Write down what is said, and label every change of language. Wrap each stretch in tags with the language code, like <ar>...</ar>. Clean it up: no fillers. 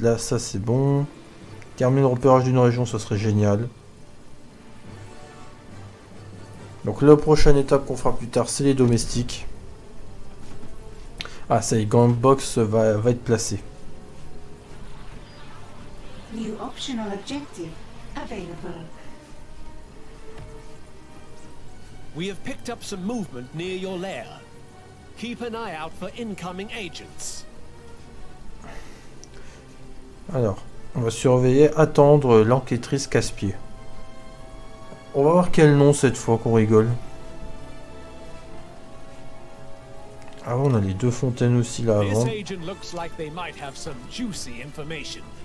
<fr>Là, ça, c'est bon. Terminer le repérage d'une région, ce serait génial. Donc, la prochaine étape qu'on fera plus tard, c'est les domestiques. Ah, ça y est, Gang Box va être placé.</fr> <en>New optional objective available. We have picked up some movement near your lair. Keep an eye out for incoming agents.</en> <fr>Alors, on va surveiller, attendre l'enquêtrice casse-pied. On va voir quel nom cette fois qu'on rigole. Ah, on a les deux fontaines aussi là avant.</fr> <en>This agent looks like they might have some juicy information.</en>